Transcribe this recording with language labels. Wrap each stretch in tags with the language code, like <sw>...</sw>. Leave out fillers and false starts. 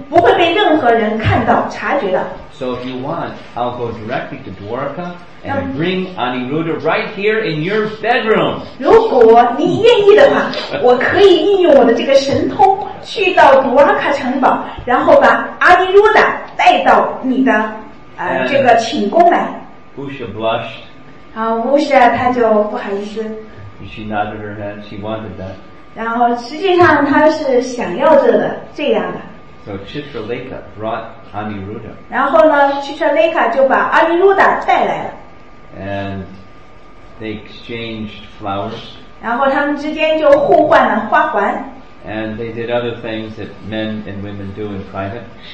<zh>我可以从远处去到另外一个地方,甚至没人,不会被任何人看到,察觉到。</zh> <en>So if you want, I'll go directly to Dwarka and bring Aniruddha right here in your bedroom.</en> <zh>如果你愿意的话,我可以运用我的这个神通去到Dwarka城堡,然后把Aniruddha带到你的这个寝宫来。</zh> <en>Usha blushed.</en> <zh>然后Usha他就不好意思。</zh> <en>She nodded her head, she wanted that.</en> <zh>然后实际上她是想要着的,这样的。</zh> <en>So Chitraleka brought Aniruddha.</en> <zh>然后呢,Chitraleka就把Aniruddha带来了。</zh> <en>And they exchanged flowers.</en> <zh>然后他们之间就互换了花环。</zh> <en>And they did other things that men and women do in private.</en>